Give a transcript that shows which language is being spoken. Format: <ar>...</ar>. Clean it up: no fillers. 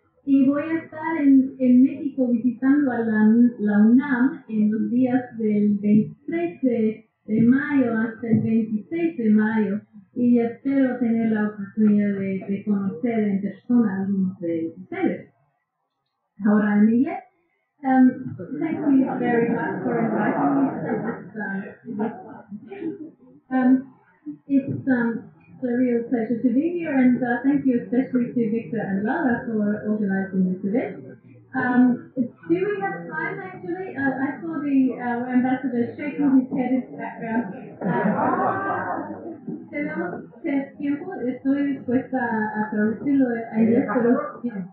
<es>Y voy a estar en México visitando a la UNAM en los días del 23 de mayo hasta el 26 de mayo. Y espero tener la oportunidad de conocer en persona a algunos de ustedes.</es> <en>Ahora, Emilia, thank you very much for inviting me to It's a real pleasure to be here, and thank you especially to Victor and Lala for organizing this event. Do we have time, actually? I saw our ambassador shaking his head in the background.</en> <es>Tenemos tiempo, estoy dispuesta a traducirlo a inglés, pero sí.</es>